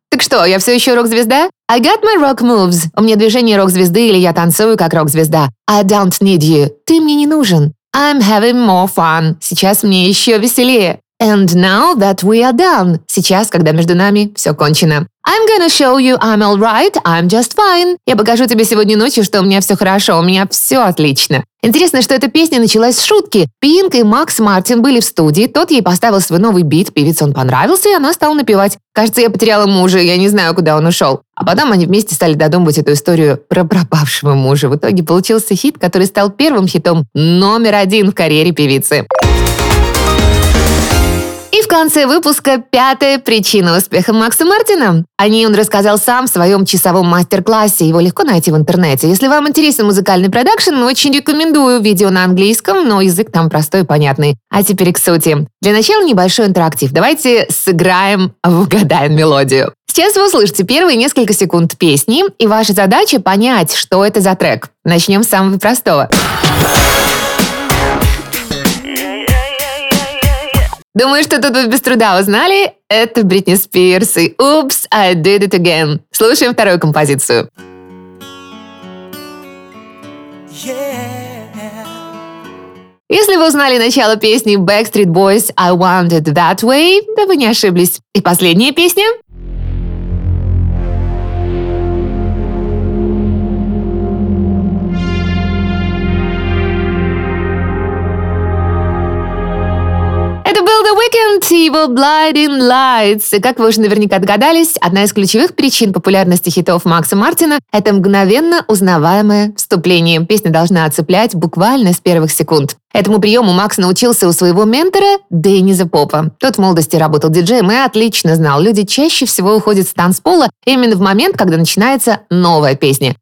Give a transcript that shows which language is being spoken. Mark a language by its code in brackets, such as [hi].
[ru] Так что, я все еще рок-звезда? [en] I got my rock moves. [ru] У меня движение рок-звезды или я танцую как рок-звезда. [en] I don't need you. [ru] Ты мне не нужен. [en] I'm having more fun. [ru] Сейчас мне еще веселее. [en] And now that we are done. [ru] Сейчас, когда между нами все кончено. [en] I'm gonna show you I'm alright, I'm just fine. [ru] Я покажу тебе сегодня ночью, что у меня все хорошо, у меня все отлично. Интересно, что эта песня началась с шутки. Пинк и Макс Мартин были в студии, тот ей поставил свой новый бит, певице он понравился, и она стала напевать. Кажется, я потеряла мужа, я не знаю, куда он ушел. А потом они вместе стали додумывать эту историю про пропавшего мужа. В итоге получился хит, который стал первым хитом номер один в карьере певицы. И в конце выпуска пятая причина успеха Макса Мартина. О ней он рассказал сам в своем часовом мастер-классе. Его легко найти в интернете. Если вам интересен музыкальный продакшн, очень рекомендую. Видео на английском, но язык там простой и понятный. А теперь к сути. Для начала небольшой интерактив. Давайте сыграем в «Угадаем мелодию». Сейчас вы услышите первые несколько секунд песни, и ваша задача – понять, что это за трек. Начнем с самого простого. Думаю, что тут вы без труда узнали. Это Бритни Спирс и «Oops, I did it again». Слушаем вторую композицию. Yeah. Если вы узнали начало песни Backstreet Boys «I want it that way», то вы не ошиблись. И последняя песня. Weekend и его Blinding Lights. И как вы уже наверняка догадались, одна из ключевых причин популярности хитов Макса Мартина – это мгновенно узнаваемое вступление. Песня должна цеплять буквально с первых секунд. Этому приему Макс научился у своего ментора Денниса Попа. Тот в молодости работал диджеем и отлично знал. Люди чаще всего уходят с танцпола именно в момент, когда начинается новая песня.